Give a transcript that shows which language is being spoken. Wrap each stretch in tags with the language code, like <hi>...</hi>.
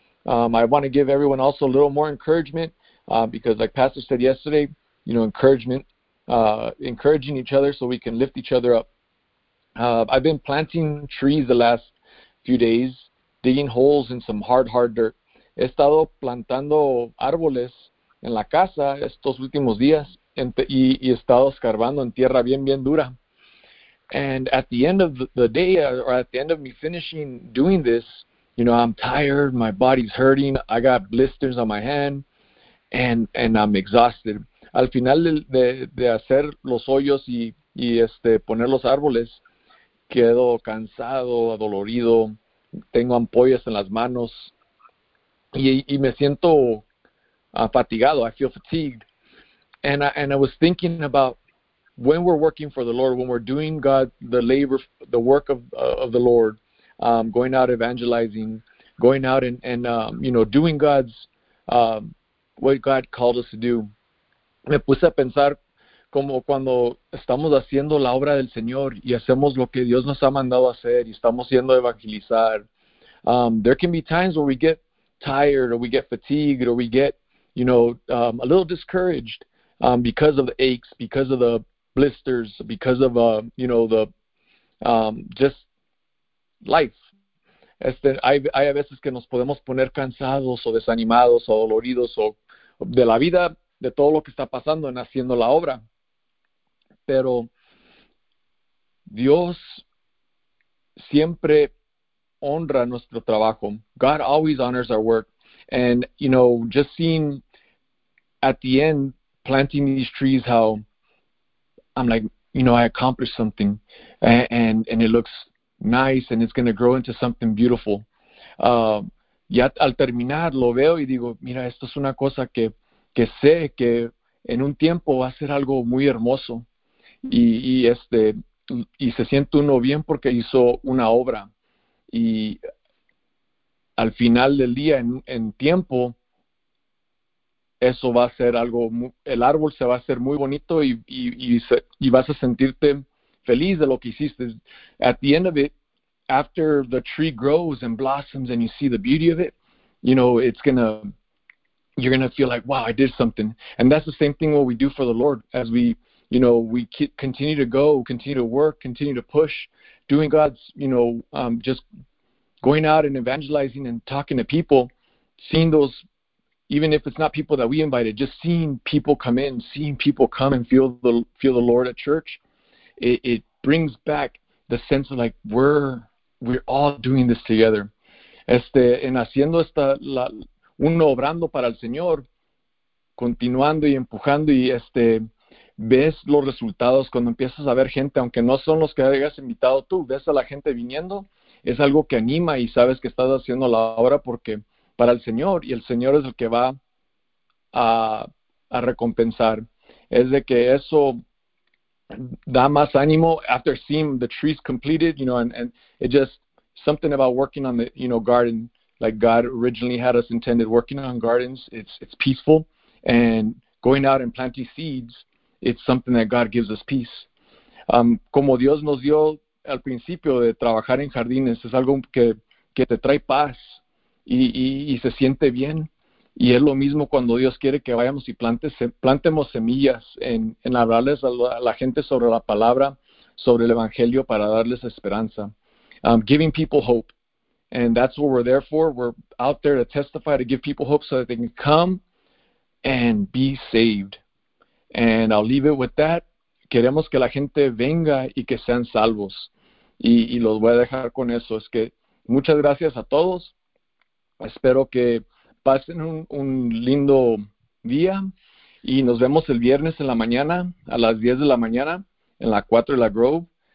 <en>I want to give everyone also a little more encouragement, because like Pastor said yesterday, you know, encouragement, encouraging each other so we can lift each other up. I've been planting trees the last few days, digging holes in some hard, hard dirt.</en> <es>He estado plantando árboles en la casa estos últimos días, y he estado escarbando en tierra bien, bien dura.</es> <en>And at the end of the day, or at the end of me finishing doing this, you know, I'm tired, my body's hurting, I got blisters on my hand, and I'm exhausted.</en> <es>Al final de hacer los hoyos y poner los árboles, quedo cansado, adolorido, tengo ampollas en las manos, y me siento fatigado.</es> <en>I feel fatigued. And I was thinking about when we're working for the Lord, when we're doing God the labor, the work of the Lord, going out evangelizing, going out and you know, doing God's what God called us to do.</en> <es>Me puse a pensar como cuando estamos haciendo la obra del Señor y hacemos lo que Dios nos ha mandado hacer y estamos yendo a evangelizar.</es> <en>There can be times where we get tired or we get fatigued or we get, you know, a little discouraged because of the aches, because of the blisters, because of, you know, the just life.</en> <es>Hay a veces que nos podemos poner cansados o desanimados o doloridos o de la vida, de todo lo que está pasando en haciendo la obra. Pero Dios siempre honra nuestro trabajo.</es> <en>God always honors our work. And, you know, just seeing at the end, planting these trees, how I'm like, you know, I accomplished something. And it looks nice and it's going to grow into something beautiful.</en> <es>Ya al terminar, lo veo y digo, mira, esto es una cosa que sé que en un tiempo va a ser algo muy hermoso. Y se siente uno bien porque hizo una obra. Y al final del día, en tiempo, eso va a ser algo, el árbol se va a hacer muy bonito y vas a sentirte feliz de lo que hiciste.</es> <en>At the end of it, after the tree grows and blossoms and you see the beauty of it, you know, you're going to feel like, wow, I did something. And that's the same thing what we do for the Lord as we, you know, we continue to go, continue to work, continue to push, doing God's, you know, just going out and evangelizing and talking to people, seeing those, even if it's not people that we invited, just seeing people come in, seeing people come and feel the Lord at church, it brings back the sense of like, we're all doing this together.</en> <es>En haciendo esta, uno obrando para el Señor, continuando y empujando, y ves los resultados cuando empiezas a ver gente, aunque no son los que hayas invitado tú, ves a la gente viniendo, es algo que anima y sabes que estás haciendo la obra porque para el Señor, y el Señor es el que va a recompensar. Es de que eso da más ánimo</es> <en>after seeing the trees completed, you know, and it just, something about working on the, you know, garden, like God originally had us intended, working on gardens, it's peaceful, and going out and planting seeds, it's something that God gives us peace.</en> <es>Como Dios nos dio al principio de trabajar en jardines, es algo que te trae paz y se siente bien. Y es lo mismo cuando Dios quiere que vayamos y plantemos semillas en hablarles a la gente sobre la palabra, sobre el evangelio, para darles esperanza.</es> <en>Giving people hope. And that's what we're there for. We're out there to testify, to give people hope so that they can come and be saved. And I'll leave it with that.</en> <es>Queremos que la gente venga y que sean salvos. Y los voy a dejar con eso. Es que muchas gracias a todos. Espero que pasen un lindo día. Y nos vemos el viernes en la mañana, a las 10 de la mañana, en la 4 de la Grove.</es>